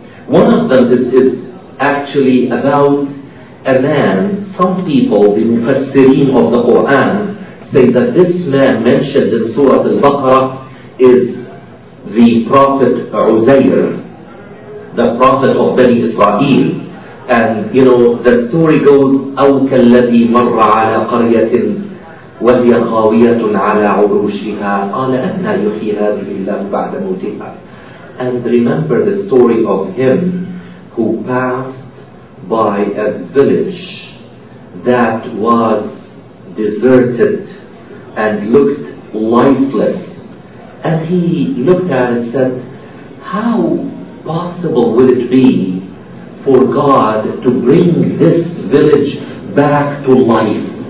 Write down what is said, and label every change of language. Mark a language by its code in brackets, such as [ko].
[en] One of them is actually about a man. Some people, the mufassirin of the Quran, say that this man mentioned in Surah Al-Baqarah is the Prophet Uzair, the Prophet of Bani Israel. And you know, the story goes, [ar] أَوْ كَالَّذِي مَرَّ عَلَىٰ قَرْيَةٍ وَهِيَ خَاوِيَةٌ عَلَىٰ عُرُوشِهَا قَالَ أَنَّا يُحْيِي هَذِهِ اللَّهُ بَعْدَ مَوْتِهَا. [en] And remember the story of him who passed by a village that was deserted and looked lifeless. And he looked at it and said, how possible would it be for God to bring this village back to life?